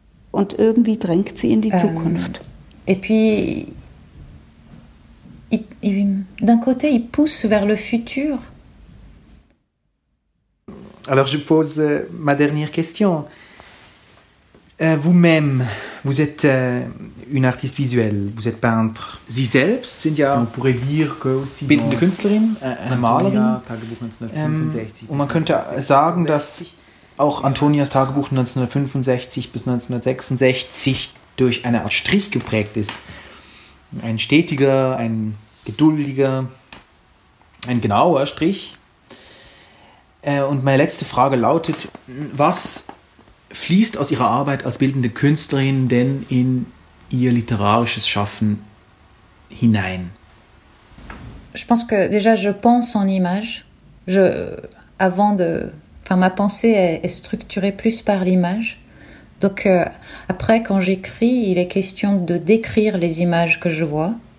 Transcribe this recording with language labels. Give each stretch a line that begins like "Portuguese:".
German: Und irgendwie drängt sie in die Zukunft.
French: Et puis, d'un côté, il pousse vers le futur. Alors, je pose ma dernière question. Vous-même, vous êtes une artiste visuelle, vous êtes peintre.
German: Sie selbst sind ja,
French: on pourrait dire que aussi
German: bildende Künstlerin, eine Malerin. Und man könnte sagen, dass auch Antonias Tagebuch 1965 bis 1966 durch eine Art Strich geprägt ist. Ein stetiger, ein geduldiger, ein genauer Strich. Und meine letzte Frage lautet, was fließt aus ihrer Arbeit als bildende Künstlerin denn in ihr literarisches Schaffen hinein?
French: Je pense que déjà je pense en image. Je avant de enfin ma pensée est structurée plus par l'image. Donc après quand j'écris, il est question de décrire les images que je vois.